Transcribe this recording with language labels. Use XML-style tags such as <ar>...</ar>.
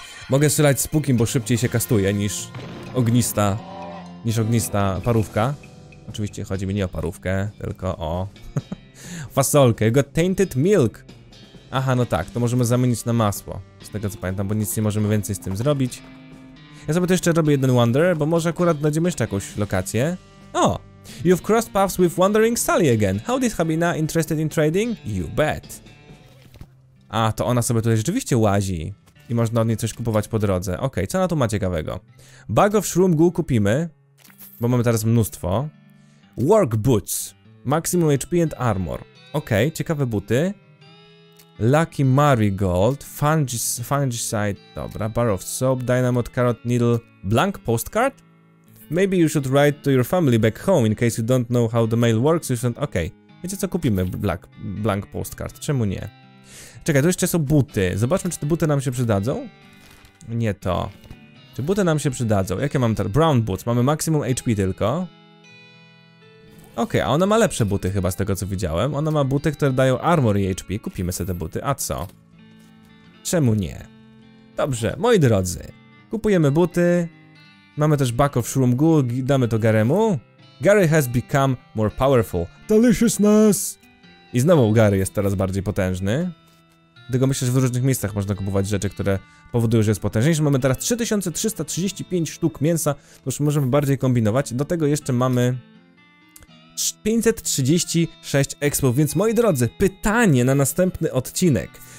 <pl>Mogę strzelać z pukiem, bo szybciej się kastuje niż ognista parówka. Oczywiście chodzi mi nie o parówkę, tylko o fasolkę.</pl> <en>You got tainted milk.</en> <pl>Aha, no tak, to możemy zamienić na masło. Z tego co pamiętam, bo nic nie możemy więcej z tym zrobić. Ja sobie to jeszcze robię jeden wonder, bo może akurat znajdziemy jeszcze jakąś lokację. O!</pl> <en>You've crossed paths with Wandering Sally again. How did Habina interested in trading? You bet.</en> <pl>A, to ona sobie tutaj rzeczywiście łazi. I można od niej coś kupować po drodze. Okej, okay, co na to ma ciekawego? Bag of Shroom Goo kupimy. Bo mamy teraz mnóstwo. Work Boots.</pl> <en>Maximum HP and Armor.</en> <pl>Okej, okay, ciekawe buty. Lucky Marigold. Fungicide. Dobra, Bar of Soap, Dynamite Carrot Needle. Blank Postcard?</pl> <en>Maybe you should write to your family back home, in case you don't know how the mail works, you should...</en> <pl>Okej. Okay. Wiecie co, kupimy blank postcard, czemu nie? Czekaj, tu jeszcze są buty. Zobaczmy, czy te buty nam się przydadzą? Nie to. Czy buty nam się przydadzą? Jakie mam teraz? Brown boots, mamy maksimum HP tylko. Okej, okay, a ona ma lepsze buty chyba z tego co widziałem. Ona ma buty, które dają armor i HP. Kupimy sobie te buty, a co? Czemu nie? Dobrze, moi drodzy. Kupujemy buty. Mamy też Back of Shroom Ghoul, damy to Garemu.</pl> <en>Gary has become more powerful. Deliciousness!</en> <pl>I znowu Gary jest teraz bardziej potężny. Dlatego myślę, że w różnych miejscach można kupować rzeczy, które powodują, że jest potężniejszy. Mamy teraz 3335 sztuk mięsa, to już możemy bardziej kombinować. Do tego jeszcze mamy 536 expo, więc moi drodzy, pytanie na następny odcinek.</pl>